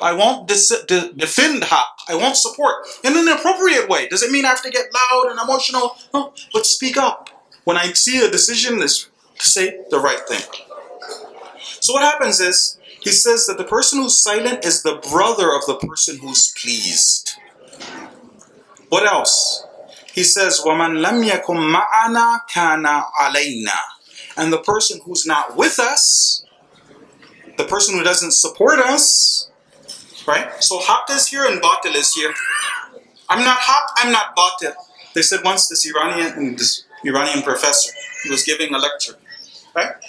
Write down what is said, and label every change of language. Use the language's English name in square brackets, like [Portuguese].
[English] I won't defend haq. I won't support in an appropriate way. Does it mean I have to get loud and emotional? No, but speak up. When I see a decision, is to say the right thing. So what happens is, he says that the person who's silent is the brother of the person who's pleased. What else? He says, [Arabic] وَمَنْ لَمْ يَكُمْ مَعَنَا كَانَ عَلَيْنَا. [English] And the person who's not with us, the person who doesn't support us, right? So haq is here and batil is here. I'm not haq, I'm not batil. They said once this Iranian professor, he was giving a lecture, right?